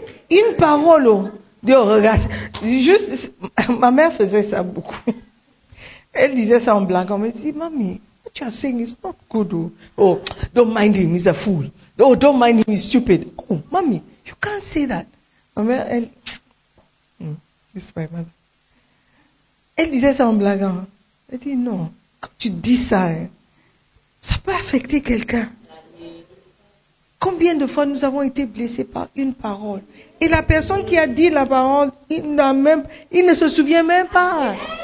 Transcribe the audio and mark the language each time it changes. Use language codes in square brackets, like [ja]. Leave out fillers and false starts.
[fr] Une parole, Dieu regarde. Juste, ma mère faisait ça beaucoup. Elle disait ça en blague. On me dit, mamie, [en] what you are saying is not good. Oh, don't mind him, he's a fool. Oh, don't mind him, he's stupid. Oh, mommy, you can't say that. [fr] Ma mère, elle... [en] this is my mother. [fr] Elle disait ça en blaguant. Elle dit, non, quand tu dis ça, hein, ça peut affecter quelqu'un. Combien de fois nous avons été blessés par une parole? Et la personne qui a dit la parole, il ne se souvient même pas.